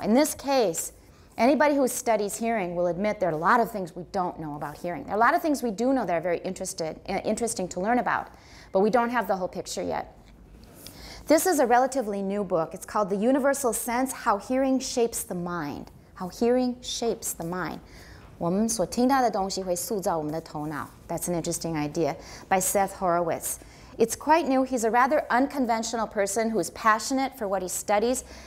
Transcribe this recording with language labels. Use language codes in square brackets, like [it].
[en] In this case, anybody who studies hearing will admit there are a lot of things we don't know about hearing. There are a lot of things we do know that are very interesting to learn about, but we don't have the whole picture yet. This is a relatively new book. It's called The Universal Sense, How Hearing Shapes the Mind. How Hearing Shapes the Mind. [zh] 我们所听到的东西会塑造我们的头脑. [en] That's an interesting idea, by Seth Horowitz. It's quite new. He's a rather unconventional person who is passionate for what he studies.